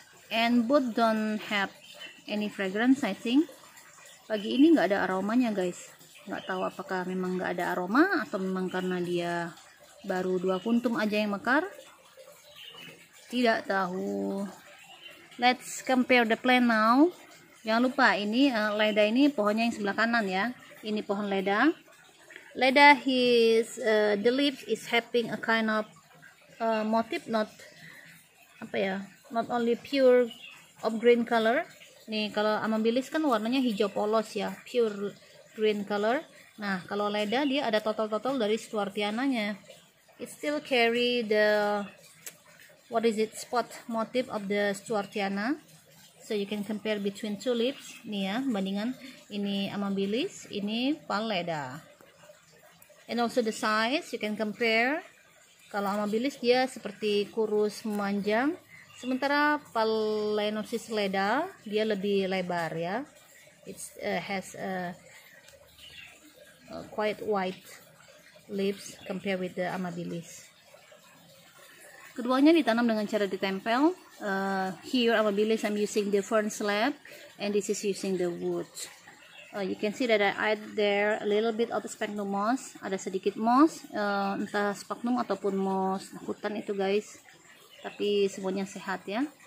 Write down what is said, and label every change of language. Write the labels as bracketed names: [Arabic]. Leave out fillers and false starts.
[English] And both don't have any fragrance, I think. [Indonesian] Pagi ini nggak ada aromanya, guys. Nggak tahu apakah memang nggak ada aroma atau memang karena dia baru dua kuntum aja yang mekar. Tidak tahu. [English] Let's compare the plant now. [Indonesian] Jangan lupa ini leda ini pohonnya yang sebelah kanan ya. Ini pohon leda. [English] Leda his the leaf is having a kind of motif not [Indonesian] apa ya? [English] Not only pure of green color. [Indonesian] Nih kalau amabilis kan warnanya hijau polos ya, [English] pure green color. [Indonesian] Nah, kalau leda dia ada totol-totol dari stuartiananya. [English] It still carry the what is it? Spot motif of the stuartiana. So you can compare between two leaves. [Indonesian] Nih ya, bandingan ini amabilis, ini paleda. [English] And also the size, you can compare. [Indonesian] Kalau amabilis dia seperti kurus memanjang, sementara Phalaenopsis leda dia lebih lebar ya. [English] It has a quite white leaves compared with the amabilis. [Indonesian] Keduanya ditanam dengan cara ditempel. [English] Here amabilis I'm using the fern slab and this is using the wood. You can see that I add there a little bit of sphagnum moss. [Indonesian] Ada sedikit moss, entah sphagnum ataupun moss hutan itu guys. Tapi semuanya sehat ya.